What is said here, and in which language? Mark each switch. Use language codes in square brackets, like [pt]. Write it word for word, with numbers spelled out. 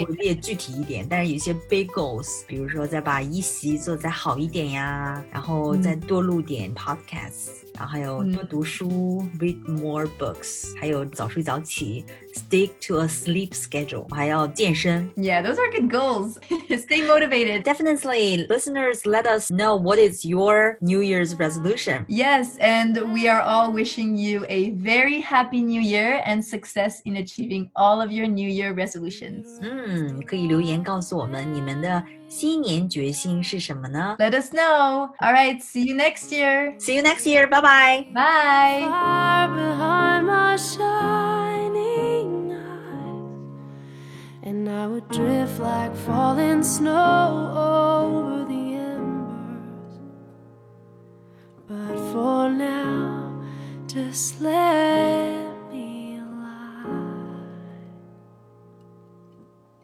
[zh] 我会列具体一点。但是有些 [en] big goals， [zh] 比如说再把一席做再好一点呀，然后再多录点 podcasts，、嗯、然后还有多读书、嗯、 [en] read more books， [zh] 还有早睡早起 ， [en] stick to a sleep schedule， [zh] 还要健身。 [en] Yeah, those are good goals. Stay motivated. Definitely, listeners, let us know what is your New Year's resolution. Yes, and we are all wishing you a very happy new year and success in achieving all of your new year resolutions. [zh] 嗯，可以留言告诉我们你们的新年决心是什么呢？ [en] Let us know. All right, see you next year. See you next year. Bye-bye. Bye. Far behind my shining eyes, and I would drift like falling snow over the embers. But for now. Just let me lie.